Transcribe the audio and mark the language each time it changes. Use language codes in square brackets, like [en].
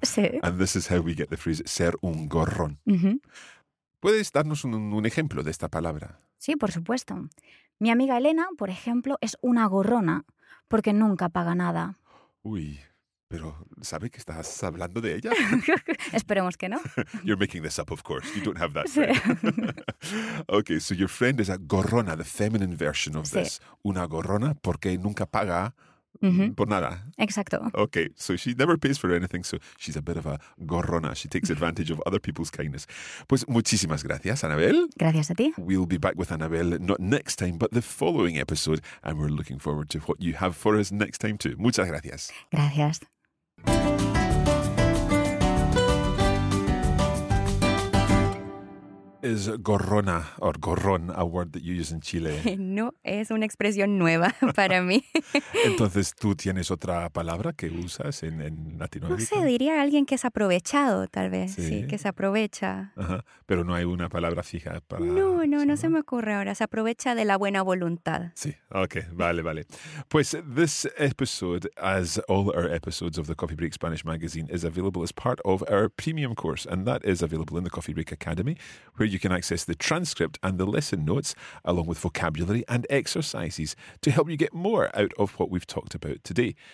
[es] Sí. [en] And this is how we get the phrase [es] ser un gorrón. Mm-hmm. ¿Puedes darnos un ejemplo de esta palabra? Sí, por supuesto. Mi amiga Elena, por ejemplo, es una gorrona porque nunca paga nada. Uy, pero ¿sabe que estás hablando de ella? Esperemos que no. [en] You're making this up, of course. You don't have that. Sí. Okay, so your friend is a gorrona, the feminine version of [es] sí. [en] this. [es] Una gorrona porque nunca paga por nada. Exacto. [en] Okay, so she never pays for anything, so she's a bit of a gorrona. She takes advantage of other people's kindness. [es] Pues muchísimas gracias, Anabel. Gracias a ti. [en] We'll be back with Anabel not next time, but the following episode, and we're looking forward to what you have for us next time too. [es] Muchas gracias. Gracias. [en] Is gorrona or gorrón a word that you use in Chile? [es] No, es una expresión nueva para mí. Entonces, ¿tú tienes otra palabra que usas en Latinoamérica? No sé, diría alguien que es aprovechado, tal vez. Sí, sí que se aprovecha. Ajá. Pero no hay una palabra fija para... No, se me ocurre ahora. Se aprovecha de la buena voluntad. Sí, ok, vale. [en] Pues, this episode, as all our episodes of the Coffee Break Spanish Magazine, is available as part of our premium course, and that is available in the Coffee Break Academy, where you can access the transcript and the lesson notes, along with vocabulary and exercises, to help you get more out of what we've talked about today.